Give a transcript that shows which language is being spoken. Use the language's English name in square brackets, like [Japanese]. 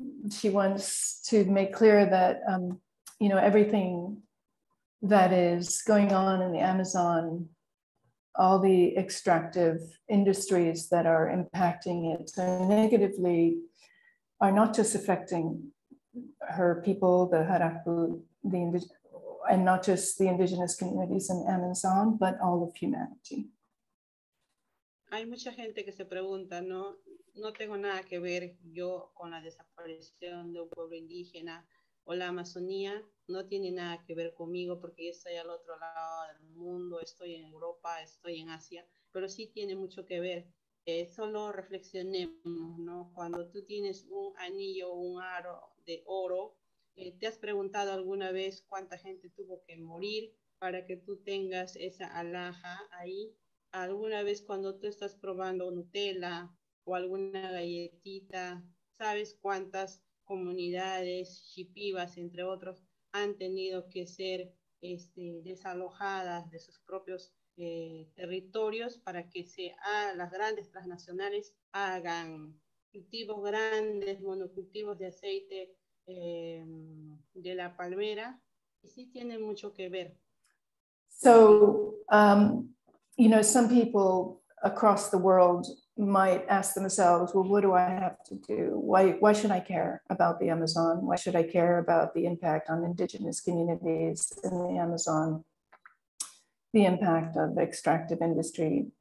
[English] She wants to make clear that, you know, everything that is going on in the Amazon, all the extractive industries that are impacting it so negatively, are not just affecting her people, the Harapu, the and not just the indigenous communities in Amazon, but all of humanity. [Spanish] Hay mucha gente que se pregunta, ¿no? No tengo nada que ver yo con la desaparición de un pueblo indígena, o la Amazonía no tiene nada que ver conmigo porque yo estoy al otro lado del mundo, estoy en Europa, estoy en Asia, pero sí tiene mucho que ver. Solo reflexionemos, ¿no? Cuando tú tienes un anillo, un aro de oro, ¿te has preguntado alguna vez cuánta gente tuvo que morir para que tú tengas esa alhaja ahí? ¿Alguna vez cuando tú estás probando Nutella o alguna galletita, sabes cuántas comunidades shipibas, entre otros, han tenido que ser desalojadas de sus propios territorios para que las grandes transnacionales hagan cultivos grandes, monocultivos de aceite de la palmera? Y sí tiene mucho que ver. [English] So, you know, some people across the world might ask themselves, well, what do I have to do? Why should I care about the Amazon? Why should I care about the impact on indigenous communities in the Amazon, the impact of extractive industry?